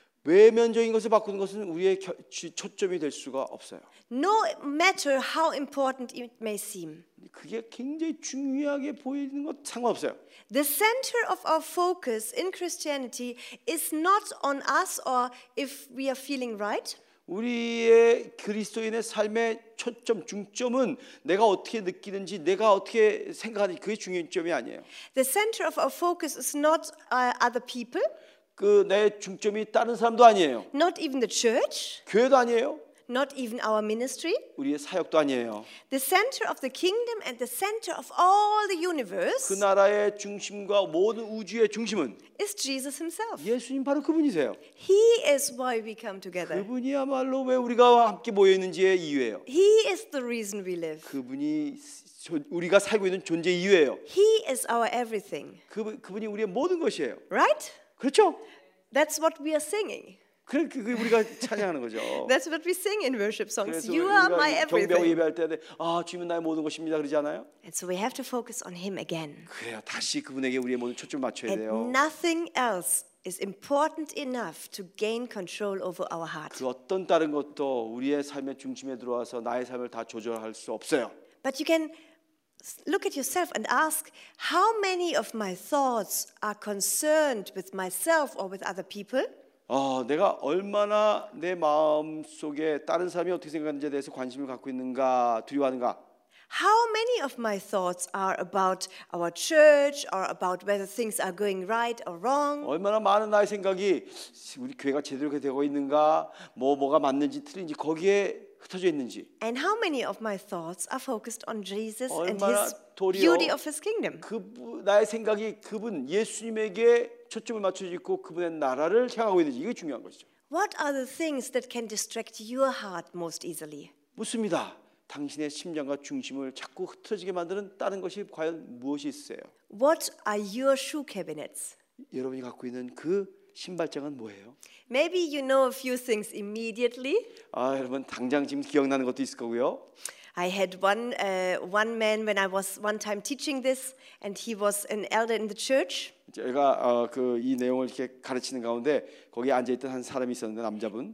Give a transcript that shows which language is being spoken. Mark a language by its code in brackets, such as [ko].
[ko] 외면적인 것을 바꾸는 것은 우리의 초점이 될 수가 없어요. [en] No matter how important it may seem. [ko] 그게 굉장히 중요하게 보이는 것 상관없어요. [en] The center of our focus in Christianity is not on us or if we are feeling right. [ko] 우리의 그리스도인의 삶의 초점, 중점은 내가 어떻게 느끼는지, 내가 어떻게 생각하는지 그게 중요한 점이 아니에요. [en] The center of our focus is not other people. [ko] 그 내 중점이 다른 사람도 아니에요. [en] Not even the church. [ko] 교회도 아니에요. [en] Not even our ministry. [ko] 우리의 사역도 아니에요. [en] The center of the kingdom and the center of all the universe. [ko] 그 나라의 중심과 모든 우주의 중심은 [en] is Jesus himself. [ko] 예수님 바로 그분이세요. [en] He is why we come together. [ko] 그분이야말로 왜 우리가 함께 모여 있는지의 이유예요. [en] He is the reason we live. [ko] 그분이 우리가 살고 있는 존재 이유예요. [en] He is our everything. [ko] 그분이 우리의 모든 것이에요. [en] Right? [ko] 그렇죠? [en] That's what we are singing. [ko] 그렇게 우리가 찬양하는 거죠. [en] That's what we sing in worship songs. You are my everything. [ko] 경배 예배할 때 아, 주님은 나의 모든 것입니다. 그러지 않아요? [en] And so we have to focus on him again. [ko] 그래요. 다시 그분에게 우리의 모든 초점을 맞춰야 돼요. [en] And nothing else is important enough to gain control over our heart. [ko] 그 어떤 다른 것도 우리의 삶의 중심에 들어와서 나의 삶을 다 조절할 수 없어요. [en] But you can look at yourself and ask how many of my thoughts are concerned with myself or with other people? [ko] 내가 얼마나 내 마음 속에 다른 사람이 어떻게 생각하는지에 대해서 관심을 갖고 있는가, 두려워하는가? [en] How many of my thoughts are about our church or about whether things are going right or wrong? [ko] 얼마나 많은 나의 생각이 우리 교회가 제대로 되고 있는가, 뭐가 맞는지 틀린지 거기에 흩어져 있는지. [en] And how many of my thoughts are focused on Jesus and his beauty of his kingdom? [ko] 나의 생각이 그분 예수님에게 초점을 맞춰져 있고 그분의 나라를 향하고 있는지 이게 중요한 것이죠. [en] What are the things that can distract your heart most easily? [ko] 묻습니다. 당신의 심장과 중심을 자꾸 흩어지게 만드는 다른 것이 과연 무엇이 있어요? [en] What are your shoe cabinets? [ko] 여러분이 갖고 있는 그 신발장은 뭐예요? [en] Maybe you know a few things immediately. [ko] 여러분 당장 지금 기억나는 것도 있을 거고요. [en] I had one man when I was one time teaching this, and he was an elder in the church. [ko] 제가 그 이 내용을 이렇게 가르치는 가운데 거기 앉아 있던 한 사람이 있었는데 남자분.